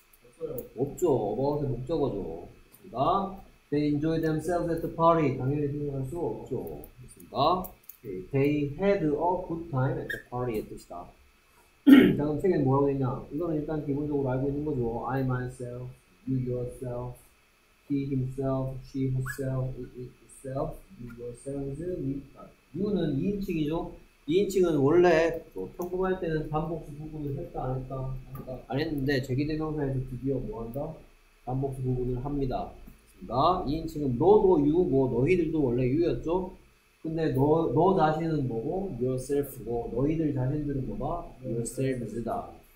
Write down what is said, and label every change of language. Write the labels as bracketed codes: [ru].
[ko] 없어요. 없죠. [en] about의 목적어죠. [ko] 그니까, [en] they enjoy themselves at the party. [ko] 당연히 생략할 수 없죠. 아, [en] they had a good time at the party [ko] 의 뜻이다. 자 그럼 책에는 뭐라고 했냐? 이거는 일단 기본적으로 알고 있는 거죠. [en] I myself, you yourself, he himself, she herself, it itself, you yourselves, you는 [ko] 2인칭이죠. 2인칭은 원래 뭐 평범할 때는 반복수 부분을 했다 안 했다 안 했는데 제기대명사에서 드디어 뭐 한다? 반복수 부분을 합니다. 그러니까 2인칭은 너도 you, 뭐 너희들도 원래 you였죠. 근데 너 자신은 뭐고 yourself고 너희들 자신들은 뭐다 yourselves다.